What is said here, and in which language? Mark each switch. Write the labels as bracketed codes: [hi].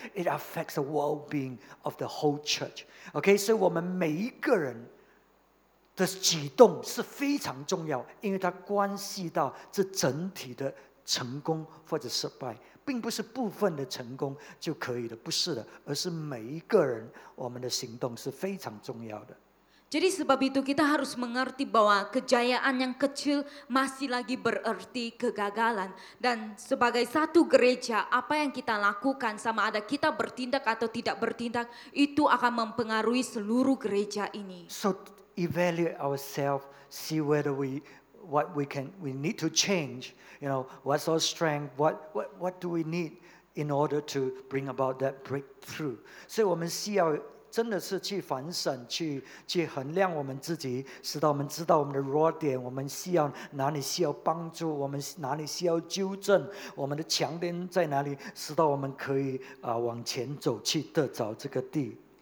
[en] It affects the well-being of the whole church. [zh] Okay, so 我们每一个人的举动是非常重要，因为它关系到这整体的成功或者失败，并不是部分的成功就可以的，不是的，而是每一个人我们的行动是非常重要的。 [ms] Jadi sebab itu kita harus mengerti bahwa kejayaan yang kecil masih lagi bererti kegagalan. Dan sebagai satu gereja, apa yang kita lakukan, sama ada kita bertindak atau tidak bertindak, itu akan mempengaruhi seluruh gereja ini. [en] So evaluate ourselves, see whether we need to change, you know, what's our strength, what do we need in order to bring about that breakthrough. [zh] So 我们需要 真的是去反省，去衡量我们自己，使到我们知道我们的弱点，我们需要哪里需要帮助，我们哪里需要纠正，我们的强点在哪里，使到我们可以往前走，去得着这个地。